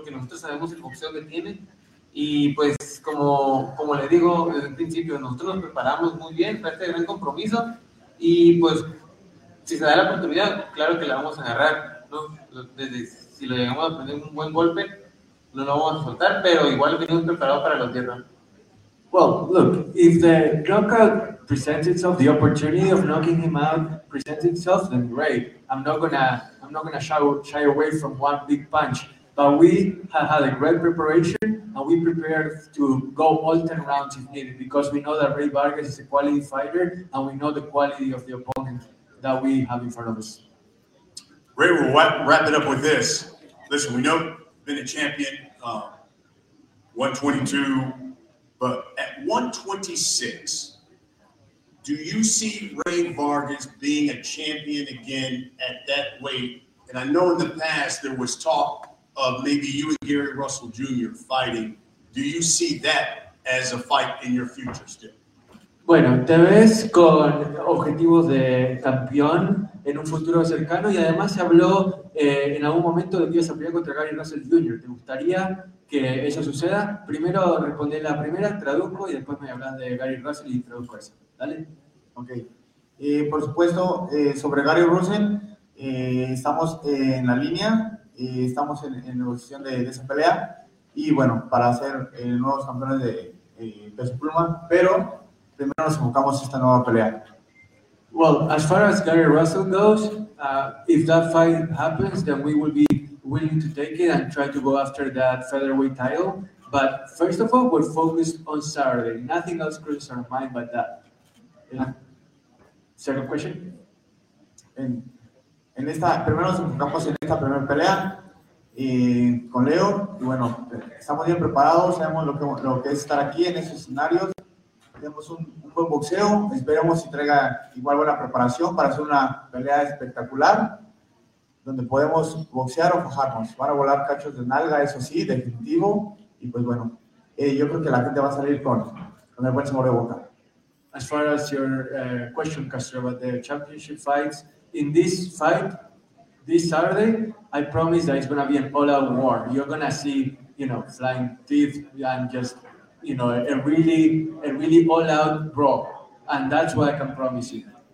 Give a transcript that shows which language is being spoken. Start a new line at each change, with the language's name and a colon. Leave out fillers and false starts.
Spanish: Porque nosotros sabemos el boxeo que tiene. Y pues, como le digo desde el principio, nosotros nos preparamos muy bien para este gran compromiso. Y pues, si se da la oportunidad, claro que la vamos a agarrar, ¿no? Desde, si lo llegamos a aprender un buen golpe, no lo vamos a soltar, pero igual venimos preparados para los 10 rounds.
English: Well, look, if the knockout presents itself, the opportunity of knocking him out presents itself, then great. I'm not gonna shy away from one big punch. But we have had a great preparation, and we prepared to go all 10 rounds if needed, because we know that Ray Vargas is a quality fighter, and we know the quality of the opponent that we have in front of us. Ray, we'll wrap it up with this. Listen, we know you've been a champion, 122. But at 126, do you see Ray Vargas being a champion again at that weight? And I know in the past there was talk of maybe you and Gary Russell Jr. fighting. Do you see that as a fight in your future still?
Spanish: Bueno, te ves con objetivos de campeón en un futuro cercano, y además se habló en algún momento de que ibas a pelear contra Gary Russell Jr. ¿Te gustaría que eso suceda? Primero respondí la primera, traduzco, y después me hablas de Gary Russell y traduzco eso. ¿Dale? Ok. Por supuesto, sobre Gary Russell, estamos en la línea, estamos en negociación de esa pelea, y bueno, para ser nuevos campeones de peso pluma, pero primero nos enfocamos en esta nueva pelea.
English: Well, as far as Gary Russell goes, if that fight happens, then we will be willing to take it and try to go after that featherweight title. But first of all, we're focused on Saturday. Nothing else crosses our mind but that. Yeah. Second question.
Spanish: En esta, primero nos enfocamos en esta primera pelea con Leo. Y bueno, estamos bien preparados. Sabemos lo que es estar aquí en esos escenarios. Tenemos un buen boxeo, esperemos si traiga igual buena preparación para hacer una pelea espectacular donde podemos boxear o fajarnos. Van a volar cachos de nalga, eso sí, definitivo. Y pues bueno, yo creo que la gente va a salir con el buen sabor de boca.
English: As far as your question, Castro, about the championship fights, in this fight, this Saturday, I promise that it's going to be an all-out war. You're going to see, you know, flying teeth and just, you know, a really all-out brawl, and that's what I can promise you.